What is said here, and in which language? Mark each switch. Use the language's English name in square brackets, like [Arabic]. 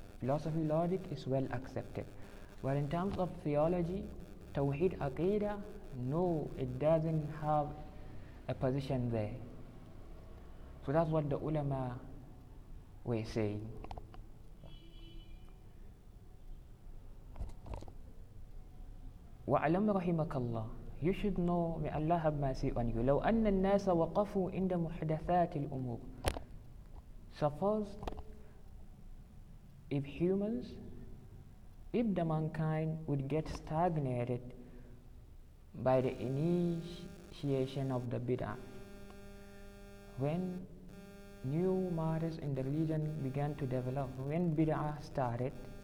[English] Philosophy, logic is well accepted. But in terms of theology, tawheed, aqeedah, no, it doesn't have a position there. So that's what the ulama were saying. [Arabic] وَعَلَمْ رَحِمَكَ اللَّهِ. [English] You should know, may Allah have mercy on you. [Arabic] لو أن الناس وقفوا عند محدثات الأمور. [English] Suppose if humans, if the mankind would get stagnated by the initiation of the bid'ah, when new matters in the religion began to develop, when bid'ah started,